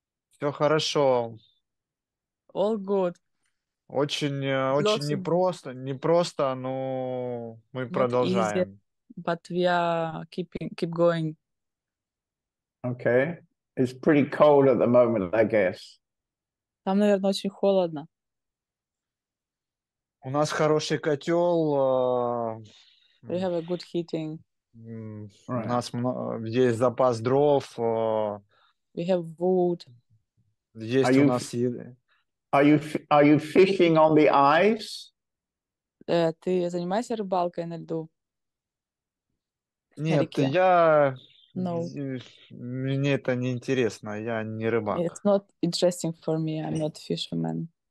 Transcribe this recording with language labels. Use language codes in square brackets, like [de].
[ru] Все хорошо. [en] All good. [ru] Очень непросто, но мы продолжаем. [en] Easy, but we are keep going. Okay. It's pretty cold at the moment, I guess. [ru] Там, наверное, очень холодно. У нас хороший котел. [en] We have a good heating. [ru] Right. У нас есть запас дров. [en] We have wood. [ru] Есть у нас еда. [en] Are you fishing on the ice? [ru] Ты занимаешься рыбалкой на льду? Нет, на я... [en] No. [ru] Мне это не интересно, я не рыбак. [en] It's not interesting for me, I'm not a fisherman.